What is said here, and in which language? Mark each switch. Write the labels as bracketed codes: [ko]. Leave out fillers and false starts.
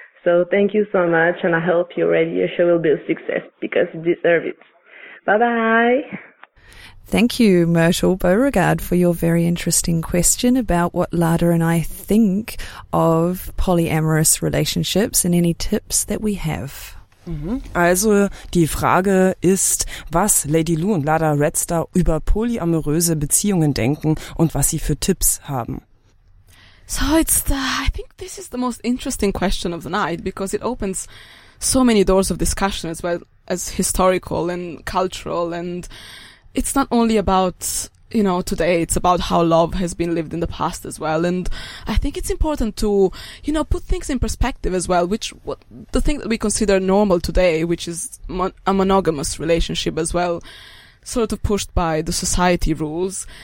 [en] So thank you so much, and I hope your radio show will be a success because you deserve it. Bye-bye. Thank you, Myrtle Beauregard, for your very interesting question about what Lada and I think of polyamorous relationships and any tips that we have. [de] Also die Frage ist, was Lady Lou und Lada Redstar über polyamoröse Beziehungen denken und was sie für Tipps haben. [en] So I think this is the most interesting question of the night because it opens so many doors of discussion as well as historical and cultural, and it's not only about, you know, today, it's about how love has been lived in the past as well. And I think it's important to, you know, put things in perspective as well, which what the thing that we consider normal today, which is a monogamous relationship as well, sort of pushed by the society rules.